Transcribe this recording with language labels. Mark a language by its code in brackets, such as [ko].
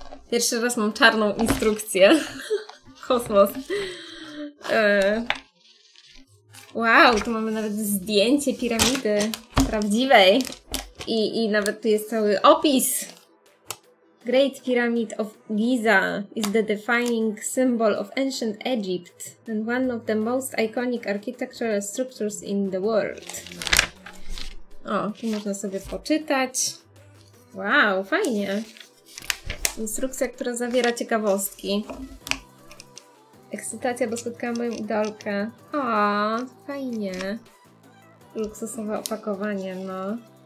[pl] Pierwszy raz mam czarną instrukcję. Kosmos. Wow, tu mamy nawet zdjęcie piramidy prawdziwej. I nawet tu jest cały opis. [en] Great Pyramid of Giza is the defining symbol of ancient Egypt and one of the most iconic architectural structures in the world. [pl] O, tu można sobie poczytać. Wow, fajnie. Instrukcja, która zawiera ciekawostki. Ekscytacja, bo spotkałam moją idolkę. O, fajnie. Luksusowe opakowanie, no.